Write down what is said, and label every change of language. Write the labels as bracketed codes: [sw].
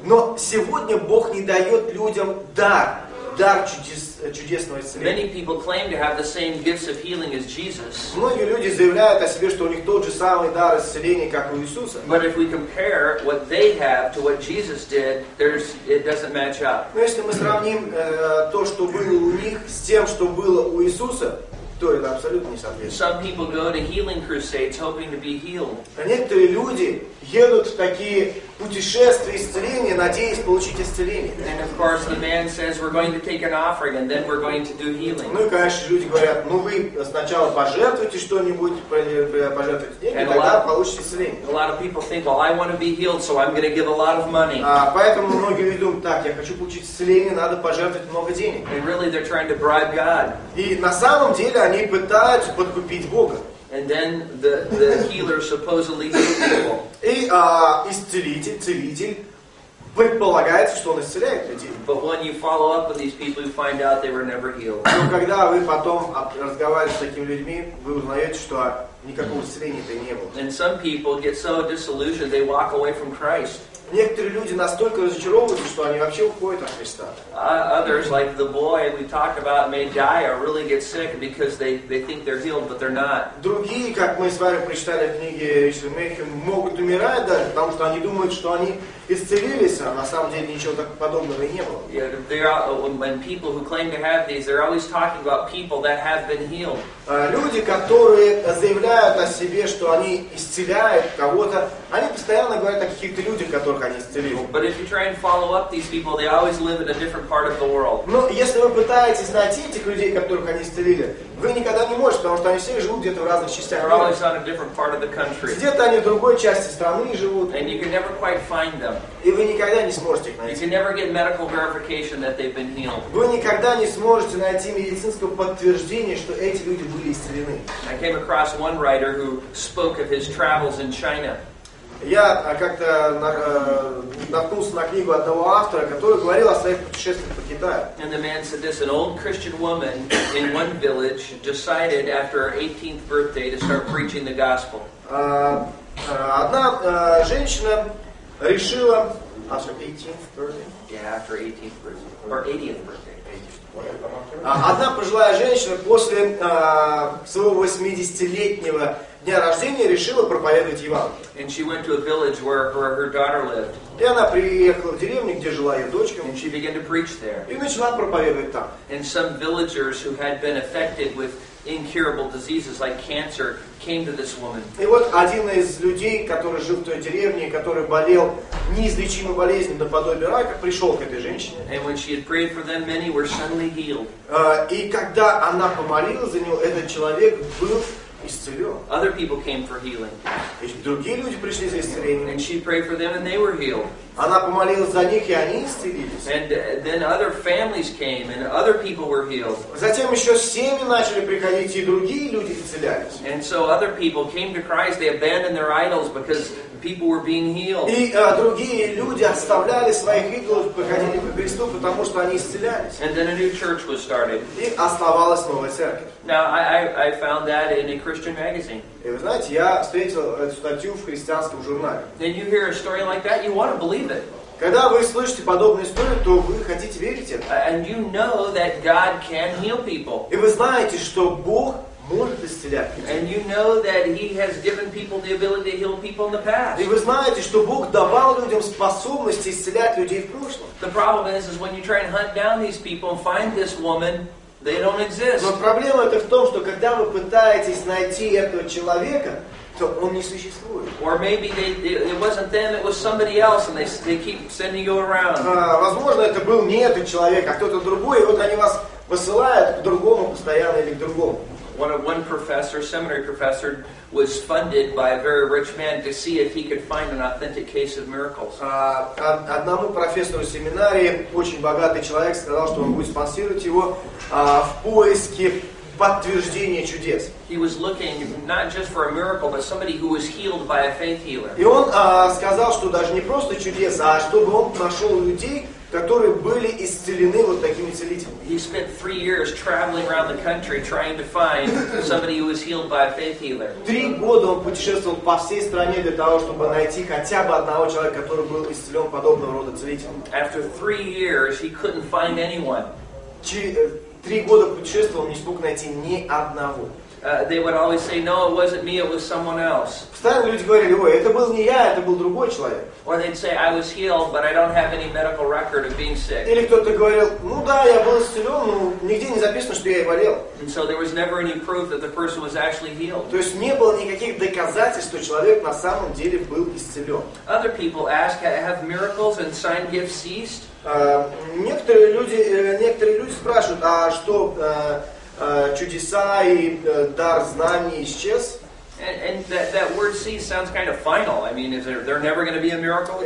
[ru] Но сегодня Бог не дает людям дар чудесного исцеления. [en] Many people claim to have the same gifts of healing as Jesus. [ru] Многие люди заявляют о себе, что у них тот же самый дар исцеления, как у Иисуса. [en] But if we compare what they have to what Jesus did, it doesn't match up. [ru] Но если мы сравним то, что было у них, с тем, что было у Иисуса, [en] Some people go to healing crusades hoping to be healed. [ru] Некоторые люди едут в такие путешествие, исцеление, надеясь получить исцеление. [en] And of course the man says we're going to take an offering and then we're going to do healing. [ru] Ну и конечно люди говорят, ну вы сначала пожертвуйте что-нибудь, пожертвуйте деньги, тогда получите исцеление. [en] A lot of people think, well, I want to be healed, so I'm going to give a lot of money. [ru] Поэтому многие думают, так, я хочу получить исцеление, надо пожертвовать много денег. [en] And really they're trying to bribe God. [ru] И на самом деле они пытаются подкупить Бога. [en] And then the healer supposedly healed people. [ru] И целитель предполагается, что он исцеляет людей. [en] But when you follow up with these people, you find out they were never healed. [ru] Но когда вы потом разговариваете с такими людьми, вы узнаете, что никакого исцеления-то не было. [en] And some people get so disillusioned they walk away from Christ. [ru] Некоторые люди настолько разочаровываются, что они вообще уходят от Христа. [en] Others, like the boy we talked about, may die or really get sick because they think they're healed, but they're not. [ru] Другие, как мы с вами прочитали в книге Ричарда Мэйхи, могут умирать даже, потому что они думают, что они исцелились, а на самом деле ничего так подобного не было. [en] Yeah, when people who claim to have these, they're always talking about people that have been healed. [ru] Люди, которые заявляют о себе, что они исцеляют кого-то, они постоянно говорят о каких-то людях, которых они исцелили. [en] But if you try and follow up these people, they always live in a different part of the world. [ru] Но если вы пытаетесь найти этих людей, которых они исцелили, вы никогда не можете, потому что они все живут где-то в разных частях города. [en] They're always on a different part of the country. [ru] Где-то они в другой части страны живут. [en] And you can never quite find them. [ru] И вы никогда не сможете их найти. [en] You can never get medical verification that they've been healed. [ru] Вы никогда не сможете найти медицинского подтверждения, что эти люди были исцелены. [en] I came across one writer who spoke of his travels in China. [ru] Я как-то наткнулся на книгу одного автора, который говорил о своих путешествиях по Китаю. [en] And the man said this, an old Christian woman in one village decided after her 18th birthday to start preaching the gospel. [ru] Одна женщина решила... [en] After 18th birthday? Yeah, after 18th birthday. Or 80th birthday. [ru] Одна пожилая женщина после своего 80-летнего дня рождения решила проповедовать Евангелие. [en] And she went to a village where her daughter lived. [ru] И она приехала в деревню, где жила ее дочка. [en] And she began to preach there. [ru] И начала проповедовать там. [en] And some villagers who had been affected with incurable diseases like cancer came to this woman. [ru] И вот один из людей, который жил в той деревне, который болел неизлечимой болезнью наподобие рака, пришел к этой женщине. [en] And when she had prayed for them, many were suddenly healed. [ru] И когда она помолилась за него, этот человек был исцелен. [en] Other people came for healing. [ru] И другие люди пришли за исцелением. [en] And she prayed for them, and they were healed. [ru] Она помолилась за них, и они исцелились. [en] And then other families came, and other people were healed. [ru] Затем еще семьи начали приходить, и другие люди исцелялись. [en] And so other people came to Christ, they abandoned their idols because people were being healed. [ru] И другие люди оставляли своих идолов, приходили к Христу, потому что они исцелялись. [en] And then a new church was started. [ru] И основалась новая церковь. [en] Now, I found that in a Christian magazine. [ru] И вы знаете, я встретил эту статью в христианском журнале. [en] Then you hear a story like that, you want to believe it. [ru] Когда вы слышите подобную историю, то вы хотите верить это. [en] And you know that God can heal people. [ru] И вы знаете, что Бог может исцелять людей. [en] And you know that He has given people the ability to heal people in the past. [ru] И вы знаете, что Бог давал людям способность исцелять людей в прошлом. [en] The problem is when you try and hunt down these people and find this woman, they don't exist. [ru] Но проблема это в том, что когда вы пытаетесь найти этого человека, то он не существует. [en] Or maybe it wasn't them, it was somebody else, and they keep sending you around. [ru] Возможно, это был не этот человек, а кто-то другой, и вот они вас посылают к другому постоянно или к другому. [en] One professor, seminary professor, was funded by a very rich man to see if he could find an authentic case of miracles. [ru] Одному профессору семинарии очень богатый человек сказал, что он будет спонсировать его в поиске подтверждения чудес. [en] He was looking not just for a miracle, but somebody who was healed by a faith healer. [ru] И он сказал, что даже не просто чудес, а чтобы он нашел людей, которые были исцелены вот такими целителями. [en] He spent 3 years traveling around the country trying to find somebody who was healed by a faith healer. [ru] 3 года он путешествовал по всей стране для того, чтобы найти хотя бы одного человека, который был исцелен подобного рода целителем. [en] After 3 years, he couldn't find anyone. [ru] 3 года путешествовал, не смог найти ни одного. [en] they would always say, no, it wasn't me, it was someone else. [ru] Постоянно люди говорили, ой, это был не я, это был другой человек. [en] Or they'd say, I was healed, but I don't have any medical record of being sick. [ru] Или кто-то говорил, ну да, я был исцелен, но нигде не записано, что я болел. [en] And so there was never any proof that the person was actually healed. [ru] То есть не было никаких доказательств, что человек на самом деле был исцелен. [en] Other people ask, have miracles and sign gifts ceased? [ru] Некоторые люди спрашивают, а что чудеса и дар знаний исчез? [en] And that word cease sounds kind of final. I mean, is there never going to be a miracle?